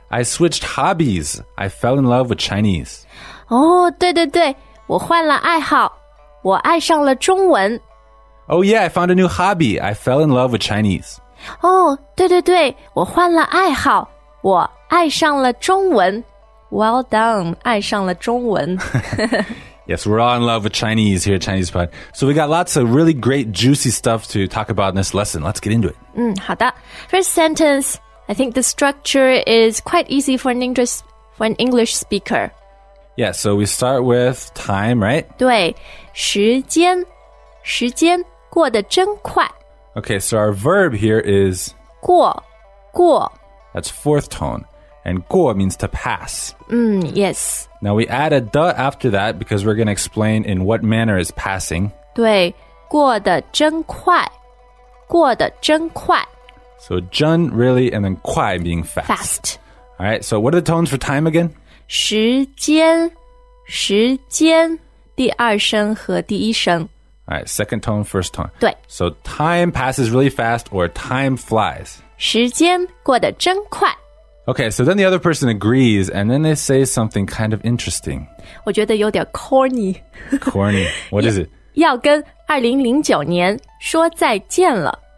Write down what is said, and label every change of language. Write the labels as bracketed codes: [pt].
[en] I switched hobbies. I fell in love with Chinese. [zh] Oh, 对对对, 我换了爱好，我爱上了中文。 [en] Oh yeah, I found a new hobby. I fell in love with Chinese. [zh] Oh, 对对对，我换了爱好，我爱上了中文。 [en] Well done, [zh] 爱上了中文。 [en] Yes, we're all in love with Chinese here at Chinese Pod. So we got lots of really great juicy stuff to talk about in this lesson. Let's get into it. [zh] 好的。 [en] First sentence, I think the structure is quite easy for an English speaker. Yeah, so we start with time, right? [zh] 对,时间,时间过得真快。 [en] Okay, so our verb here is [zh] 过,过。 [en] That's fourth tone. And 过 means to pass. Yes. Now we add a 的 after that because we're going to explain in what manner is passing. [zh] 对,过得真快,过得真快。 [en] So 真 really and then 快 being fast. Fast. All right, so what are the tones for time again? [zh] 时间,时间,第二声和第一声。 [en] All right, second tone, first tone. [zh] 对。 [en] So time passes really fast or time flies. [zh] 时间过得真快。 [en] Okay, so then the other person agrees, and then they say something kind of interesting. [zh] 我觉得有点 corny. [en] Corny. What is it? [zh] 要跟2009年说再见了。